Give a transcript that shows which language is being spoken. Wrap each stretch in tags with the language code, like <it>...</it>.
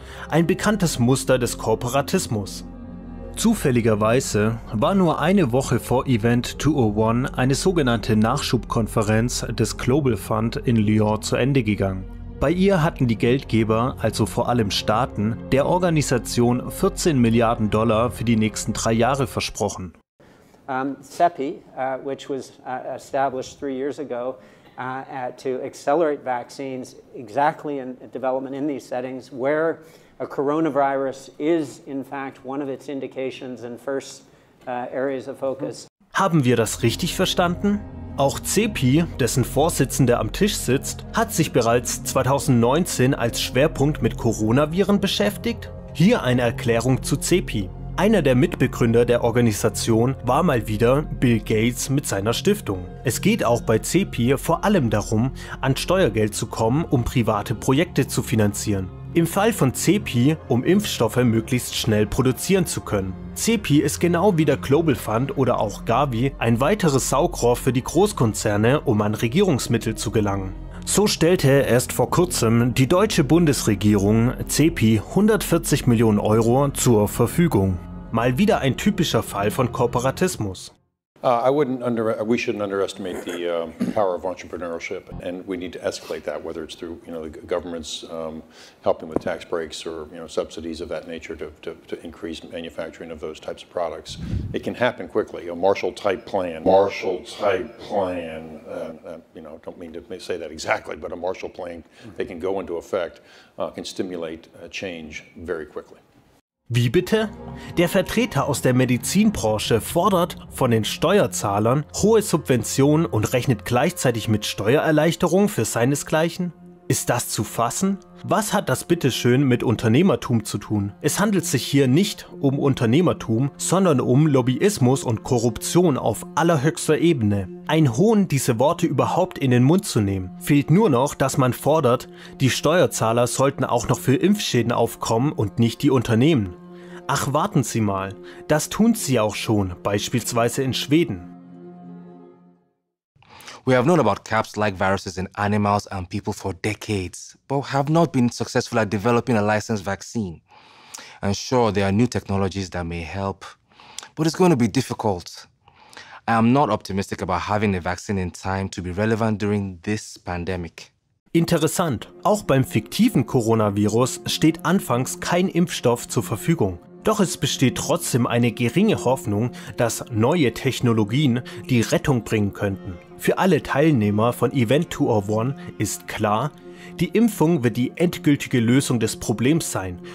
<de>Ein bekanntes Muster des Kooperatismus. Zufälligerweise war nur eine Woche vor Event 201 eine sogenannte Nachschubkonferenz des Global Fund in Lyon zu Ende gegangen. Bei ihr hatten die Geldgeber, also vor allem Staaten, der Organisation 14 Milliarden Dollar für die nächsten drei Jahre versprochen.</de> <en>CEPI, which was established 3 years ago to accelerate vaccines exactly in development in these settings, where a coronavirus is in fact one of its indications and first areas of focus.</en> <de>Haben wir das richtig verstanden? Auch CEPI, dessen Vorsitzender am Tisch sitzt, hat sich bereits 2019 als Schwerpunkt mit Coronaviren beschäftigt? Hier eine Erklärung zu CEPI. Einer der Mitbegründer der Organisation war mal wieder Bill Gates mit seiner Stiftung. Es geht auch bei CEPI vor allem darum, an Steuergeld zu kommen, um private Projekte zu finanzieren. Im Fall von CEPI, um Impfstoffe möglichst schnell produzieren zu können. CEPI ist genau wie der Global Fund oder auch Gavi ein weiteres Saugrohr für die Großkonzerne, um an Regierungsmittel zu gelangen. So stellte erst vor kurzem die deutsche Bundesregierung CEPI 140 Millionen Euro zur Verfügung. Mal wieder ein typischer Fall von Kooperatismus.</de> <en>We shouldn't underestimate the power of entrepreneurship, and we need to escalate that, whether it's through, you know, the government's helping with tax breaks or, you know, subsidies of that nature to increase manufacturing of those types of products. It can happen quickly. A Marshall-type plan. Marshall-type plan. Don't mean to say that exactly, but a Marshall plan that can go into effect can stimulate change very quickly.</en> <de>Wie bitte? Der Vertreter aus der Medizinbranche fordert von den Steuerzahlern hohe Subventionen und rechnet gleichzeitig mit Steuererleichterung für seinesgleichen? Ist das zu fassen? Was hat das bitteschön mit Unternehmertum zu tun? Es handelt sich hier nicht um Unternehmertum, sondern um Lobbyismus und Korruption auf allerhöchster Ebene. Ein Hohn, diese Worte überhaupt in den Mund zu nehmen. Fehlt nur noch, dass man fordert, die Steuerzahler sollten auch noch für Impfschäden aufkommen und nicht die Unternehmen. Ach, warten Sie mal, das tun Sie auch schon, beispielsweise in Schweden.</de> <en>We have known about caps-like viruses in animals and people for decades, but have not been successful at developing a licensed vaccine. And sure, there are new technologies that may help, but it's going to be difficult. I am not optimistic about having a vaccine in time to be relevant during this pandemic.</en> <de>Interessant. Auch beim fiktiven Coronavirus steht anfangs kein Impfstoff zur Verfügung. Doch es besteht trotzdem eine geringe Hoffnung, dass neue Technologien die Rettung bringen könnten. Für alle Teilnehmer von Event 201 ist klar, die Impfung wird die endgültige Lösung des Problems sein.</de>